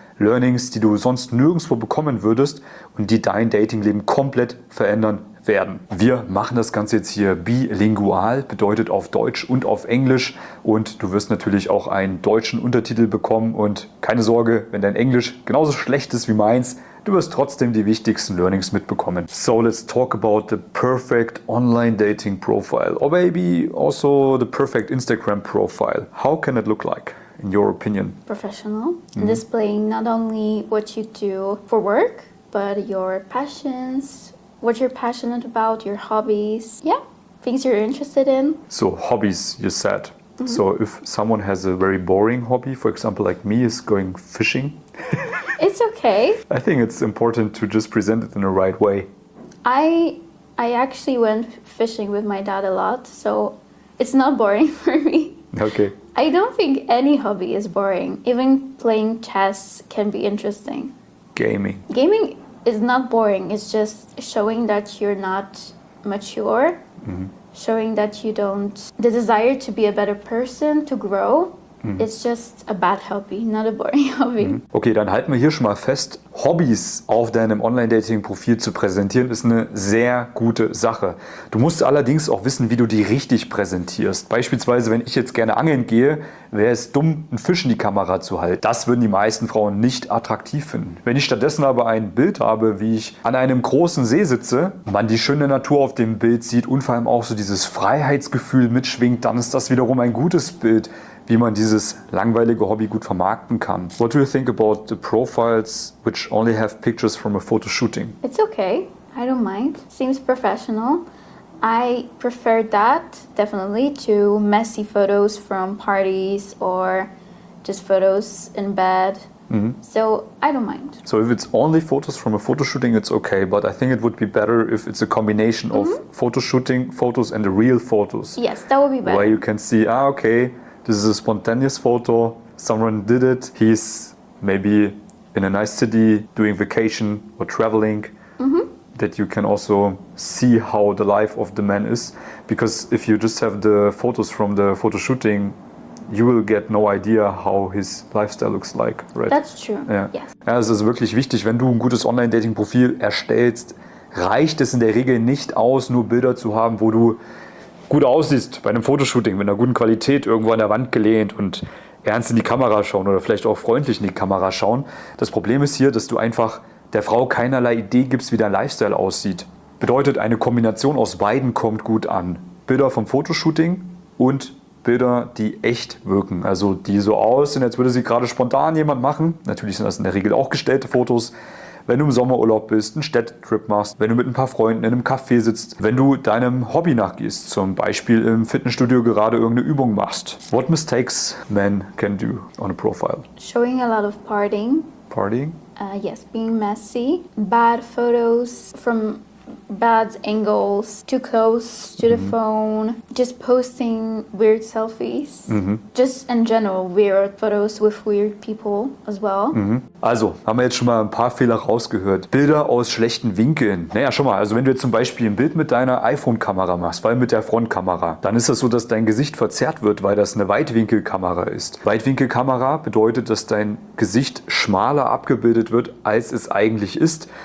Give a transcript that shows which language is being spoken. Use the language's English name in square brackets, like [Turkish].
[German] Learnings, die du sonst nirgendwo bekommen würdest und die dein Datingleben komplett verändern werden. Wir machen das Ganze jetzt hier bilingual, bedeutet auf Deutsch und auf Englisch. Und du wirst natürlich auch einen deutschen Untertitel bekommen. Und keine Sorge, wenn dein Englisch genauso schlecht ist wie meins, du wirst trotzdem die wichtigsten Learnings mitbekommen. [English] So, let's talk about the perfect online dating profile. Or maybe also the perfect Instagram profile. How can it look like, in your opinion? Professional. Mm-hmm. Displaying not only what you do for work, but your passions, what you're passionate about, your hobbies. Yeah, things you're interested in. So, hobbies, you said. Mm-hmm. So, if someone has a very boring hobby, for example, like me, is going fishing. It's okay. I think it's important to just present it in the right way. I actually went fishing with my dad a lot, so it's not boring for me. Okay. I don't think any hobby is boring. Even playing chess can be interesting. Gaming. Gaming is not boring. It's just showing that you're not mature, mm-hmm. showing that you don't... The desire to be a better person, to grow, mm-hmm. it's just a bad hobby, not a boring hobby. Mm-hmm. [German] Okay, dann halten wir hier schon mal fest, Hobbys auf deinem Online-Dating-Profil zu präsentieren, ist eine sehr gute Sache. Du musst allerdings auch wissen, wie du die richtig präsentierst. Beispielsweise, wenn ich jetzt gerne angeln gehe, wäre es dumm, einen Fisch in die Kamera zu halten. Das würden die meisten Frauen nicht attraktiv finden. Wenn ich stattdessen aber ein Bild habe, wie ich an einem großen See sitze, man die schöne Natur auf dem Bild sieht und vor allem auch so dieses Freiheitsgefühl mitschwingt, dann ist das wiederum ein gutes Bild, wie man dieses langweilige Hobby gut vermarkten kann. [English] What do you think about the profiles which only have pictures from a photo shooting? It's okay. I don't mind. Seems professional. I prefer that, definitely, to messy photos from parties or just photos in bed. Mm-hmm. So, I don't mind. So, if it's only photos from a photo shooting, it's okay. But I think it would be better if it's a combination mm-hmm. of photo shooting photos and the real photos. Yes, that would be better. Where you can see, okay, this is a spontaneous photo. Someone did it. He's maybe in a nice city doing vacation or traveling. Mm-hmm. That you can also see how the life of the man is. Because if you just have the photos from the photo shooting, you will get no idea how his lifestyle looks like, right? That's true, yeah. Yes. [German] Ja, es ist wirklich wichtig, wenn du ein gutes Online-Dating-Profil erstellst, reicht es in der Regel nicht aus, nur Bilder zu haben, wo du gut aussiehst bei einem Fotoshooting, mit einer guten Qualität, irgendwo an der Wand gelehnt und ernst in die Kamera schauen oder vielleicht auch freundlich in die Kamera schauen. Das Problem ist hier, dass du einfach der Frau keinerlei Idee gibst, wie dein Lifestyle aussieht. Bedeutet, eine Kombination aus beiden kommt gut an. Bilder vom Fotoshooting und Bilder, die echt wirken. Also die so aussehen, als würde sie gerade spontan jemand machen. Natürlich sind das in der Regel auch gestellte Fotos. wenn du im Sommerurlaub bist, einen Städtetrip machst, wenn du mit ein paar Freunden in einem Café sitzt, wenn du deinem Hobby nachgehst, zum Beispiel im Fitnessstudio gerade irgendeine Übung machst. [English] What mistakes men can do on a profile? Showing a lot of partying. Partying? Yes, being messy. Bad photos from bad angles, too close to the phone, just posting weird selfies, just in general weird photos with weird people as well. [German] Also, haben wir jetzt schon mal ein paar Fehler rausgehört. Bilder aus schlechten Winkeln. Naja, schon mal, also wenn du jetzt zum Beispiel ein Bild mit deiner iPhone-Kamera machst, vor allem mit der Frontkamera, dann ist das so, dass dein Gesicht verzerrt wird, weil das eine Weitwinkelkamera ist. Weitwinkelkamera bedeutet, dass dein Gesicht schmaler abgebildet wird, als es eigentlich ist.